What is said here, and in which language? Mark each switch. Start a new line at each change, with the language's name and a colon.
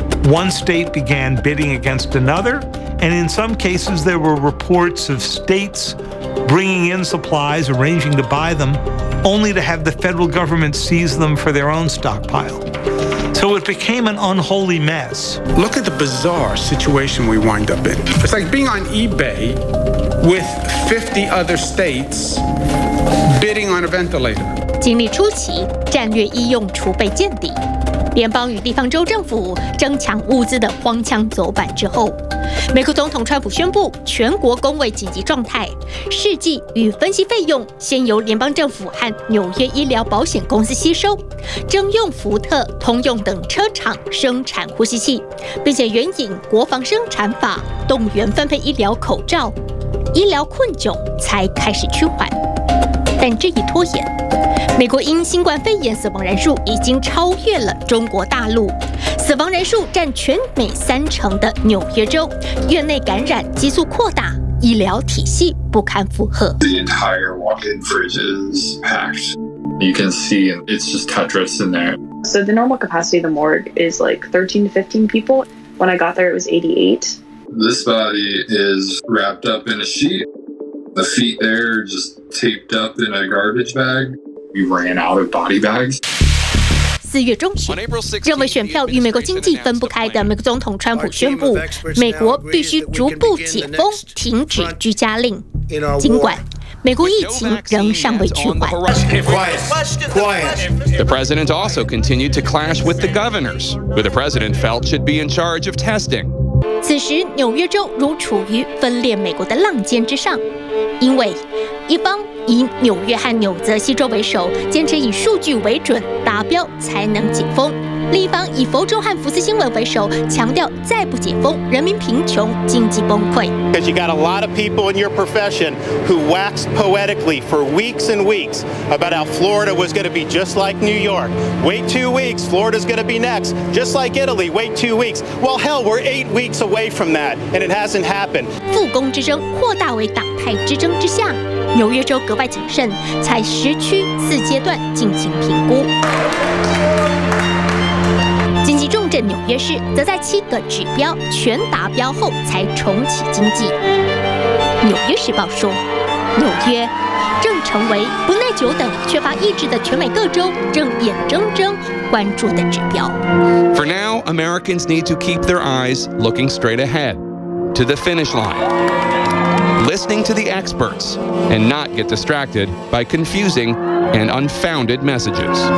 English: One state began bidding against another, and in some cases there were reports of states bringing in supplies, arranging to buy them, only to have the federal government seize them for their own stockpile. So it became an unholy mess. Look at the bizarre situation we wind up in. It's like being on eBay with 50 other states bidding on a ventilator.
Chinese: 经历初期，战略医用储备见底。联邦与地方州政府争抢物资的荒腔走板之后，美国总统川普宣布全国公卫紧急状态，试剂与分析费用先由联邦政府和纽约医疗保险公司吸收，征用福特、通用等车厂生产呼吸器，并且援引国防生产法动员分配医疗口罩，医疗困窘才开始趋缓。但这一拖延，美国因新冠肺炎死亡人数已经超越了中国大陆，死亡人数占全美三成的纽约州，院内感染急速扩大，医疗体系不堪负荷。
English: The entire walk-in fridge is packed. You can see it's just Tetris in there. So the normal capacity of the morgue is like 13 to 15 people. When I got there, it was 88. This body is wrapped up in a sheet. The feet there are just taped up in a garbage bag.
Chinese: 四月中旬，认为选票与美国经济分不开的美国总统川普宣布，美国必须逐步解封，停止居家令。尽管美国疫情仍尚未趋缓。
English: The president also continued to clash with the governors, who the president felt should be in charge of testing.
Chinese: 此时，纽约州如处于分裂美国的浪尖之上，因为一方。以纽约和纽泽西州为首，坚持以数据为准，达标才能解封。另一方以佛州和福斯新闻为首，强调再不解封，人民贫穷，经济崩溃。
English: Because you got a lot of people in your profession who waxed poetically for weeks and weeks about how Florida was going to be just like New York. Wait 2 weeks, Florida's going to be next, just like Italy. Wait 2 weeks. Well, hell, we're 8 weeks away from that, and it hasn't happened.
Chinese: 复工之争扩大为党派之争之下。纽约州格外谨慎，采十区四阶段进行评估。紧急重镇纽约市则在七个指标全达标后才重启经济。纽约时报说，纽约正成为不耐久等、缺乏意志的全美各州正眼睁睁关注的指标。
English: For now, Americans need to keep their eyes looking straight ahead to the finish line. listening to the experts and not get distracted by confusing and unfounded messages.